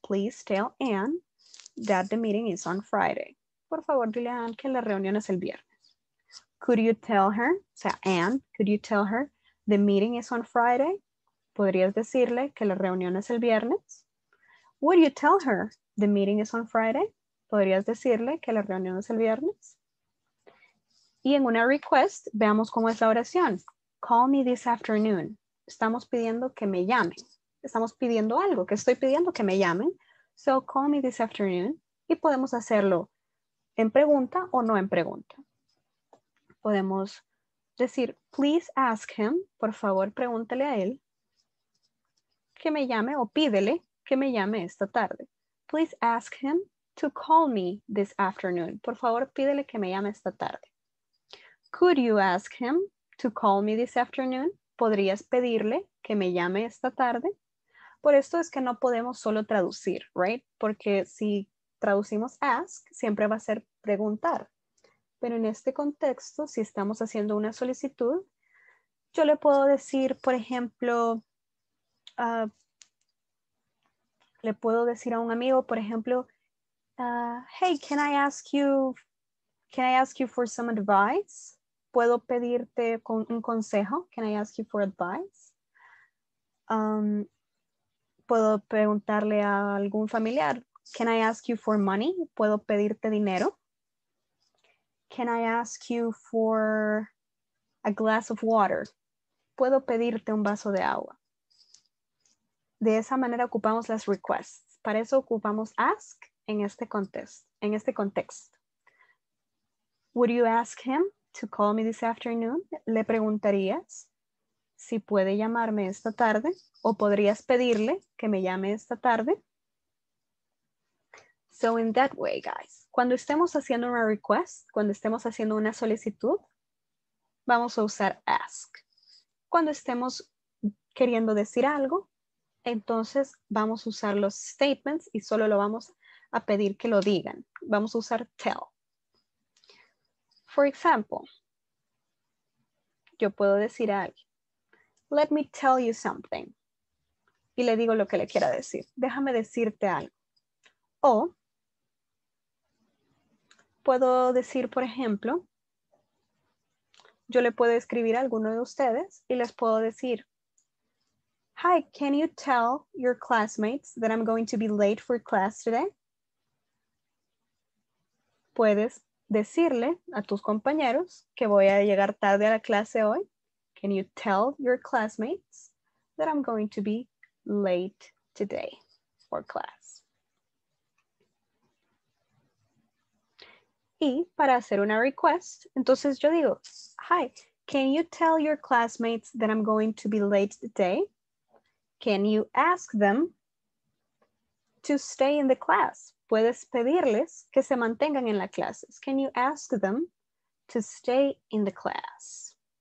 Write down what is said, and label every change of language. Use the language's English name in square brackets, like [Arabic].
[English] Please tell Anne that the meeting is on Friday. [Spanish] Por favor, dile a Anne que la reunión es el viernes. [English] Could you tell her, [Spanish] o sea, [English] Anne, could you tell her the meeting is on Friday? [Spanish] ¿Podrías decirle que la reunión es el viernes? [English] Would you tell her the meeting is on Friday? [Spanish] ¿Podrías decirle que la reunión es el viernes? Y en una request, veamos cómo es la oración. [English] Call me this afternoon. [Spanish] Estamos pidiendo que me llamen. Estamos pidiendo algo, que estoy pidiendo que me llamen. [English] So call me this afternoon. [Spanish] Y podemos hacerlo en pregunta o no en pregunta. Podemos decir, [English] please ask him, [Spanish] por favor pregúntele a él, que me llame o pídele que me llame esta tarde. [English] Please ask him to call me this afternoon. [Spanish] Por favor pídele que me llame esta tarde. [English] Could you ask him to call me this afternoon? [Spanish] ¿Podrías pedirle que me llame esta tarde? Por esto es que no podemos solo traducir, right? Porque si traducimos ask, siempre va a ser preguntar. Pero en este contexto, si estamos haciendo una solicitud, yo le puedo decir, por ejemplo, le puedo decir a un amigo, por ejemplo, [English] hey, can I ask you for some advice? [Spanish] ¿Puedo pedirte un consejo? [English] Can I ask you for advice? [Spanish] ¿Puedo preguntarle a algún familiar? [English] Can I ask you for money? [Spanish] ¿Puedo pedirte dinero? [English] Can I ask you for a glass of water? [Spanish] ¿Puedo pedirte un vaso de agua? De esa manera ocupamos las requests. Para eso ocupamos ask en este contexto. [English] Would you ask him to call me this afternoon? [Spanish] ¿Le preguntarías si puede llamarme esta tarde? ¿O podrías pedirle que me llame esta tarde? [English] So in that way, guys, [Spanish] cuando estemos haciendo una request, cuando estemos haciendo una solicitud, vamos a usar ask. Cuando estemos queriendo decir algo, entonces vamos a usar los statements y solo lo vamos a pedir que lo digan. Vamos a usar tell. [English] For example, [Spanish] yo puedo decir a alguien, [English] let me tell you something. [Spanish] Y le digo lo que le quiera decir. Déjame decirte algo. O puedo decir, por ejemplo, yo le puedo escribir a alguno de ustedes y les puedo decir, [English] hi, can you tell your classmates that I'm going to be late for class today? [Spanish] ¿Puedes decirle a tus compañeros que voy a llegar tarde a la clase hoy? [English] Can you tell your classmates that I'm going to be late today for class? [Spanish] Y para hacer una request, entonces yo digo, [English] hi, can you tell your classmates that I'm going to be late today? Can you ask them to stay in the class? [Spanish] Puedes pedirles que se mantengan en la clase. [English] Can you ask them to stay in the class?